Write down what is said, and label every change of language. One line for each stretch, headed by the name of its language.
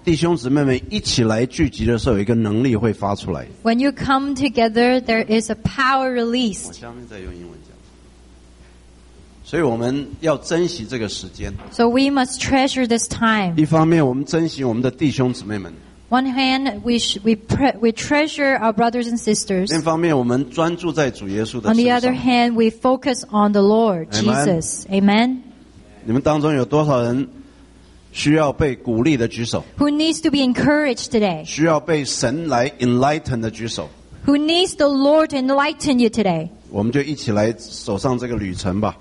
Chinese: 弟兄姊妹们一起来聚集的时候，有一个能力会发出来。
English: When you come together, there is a power released.
Chinese: 我下面再用英文讲。所以我们要珍惜这个时间。
English: So we must treasure this time.
Chinese: 一方面，我们珍惜我们的弟兄姊妹们。
English: One hand, we treasure our brothers and sisters.
Chinese: 另一方面，我们专注在主耶稣的身
English: 上。On the other hand, we focus on the Lord Jesus. Amen.
Chinese: 你们当中有多少人需要被鼓励的举手？
English: Who needs to be encouraged today?
Chinese: 需要被神来 enlighten 的举手？
English: Who needs the Lord to enlighten you today?
Chinese: 我们就一起来走上这个旅程吧。